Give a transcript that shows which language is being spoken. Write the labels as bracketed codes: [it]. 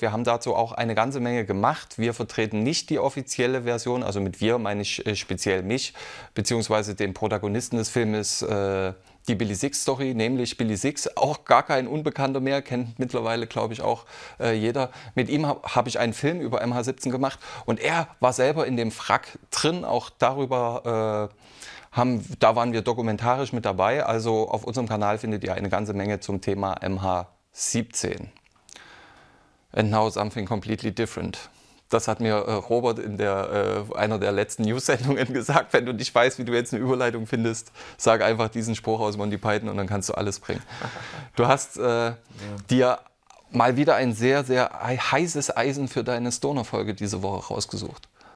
[de] Wir haben dazu auch eine ganze Menge gemacht. Wir vertreten nicht die offizielle Version, also mit wir meine ich speziell mich, beziehungsweise den Protagonisten des Filmes, die Billy Six Story, nämlich Billy Six, auch gar kein Unbekannter mehr, kennt mittlerweile, glaube ich, auch jeder. Mit ihm habe ich einen Film über MH17 gemacht und er war selber in dem Wrack drin, auch darüber da waren wir dokumentarisch mit dabei. Also auf unserem Kanal findet ihr eine ganze Menge zum Thema MH17. [en] And now something completely different. [de] Das hat mir Robert in einer der letzten News-Sendungen gesagt. Wenn du nicht weißt, wie du jetzt eine Überleitung findest, sag einfach diesen Spruch aus Monty Python und dann kannst du alles bringen. Du hast dir mal wieder ein sehr, sehr heißes Eisen für deine Stoner-Folge diese Woche rausgesucht.